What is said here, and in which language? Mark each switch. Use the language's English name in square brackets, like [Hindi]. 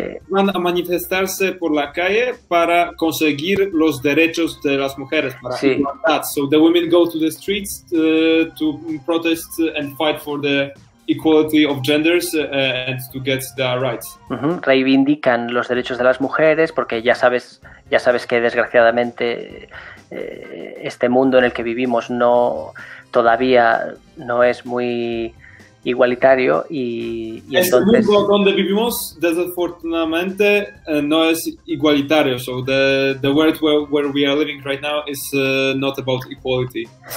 [Spanish] van a manifestarse por la calle para conseguir los derechos de las mujeres. Para sí. [English] That. So the women go to the streets to protest and fight for the equality of genders and to get their rights. Uh-huh. [Spanish] Reivindican los derechos de las mujeres porque ya sabes que desgraciadamente este mundo en el que vivimos no todavía no es muy igualitario y entonces el mundo donde vivimos desafortunadamente no es igualitario, [English] so the world where we are living right now is not about equality.